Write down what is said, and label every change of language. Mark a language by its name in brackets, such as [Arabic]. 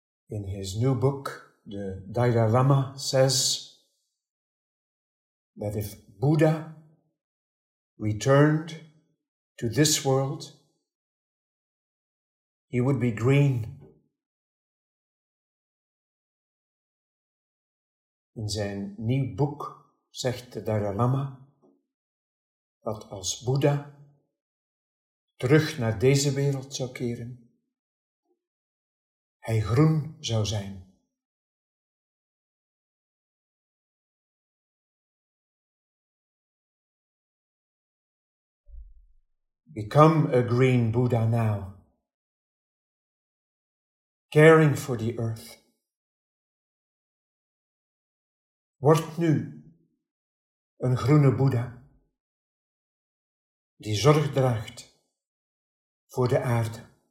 [English] In his new book, the Dalai Lama says that if Buddha returned to this world, he would be green. [Dutch] In zijn nieuw boek zegt de Dalai Lama dat als Buddha terug naar deze wereld zou keren, hij groen zou zijn. [English] Become a green Buddha now, caring for the earth. [Dutch] Word nu een groene Buddha die zorg draagt voor de aarde.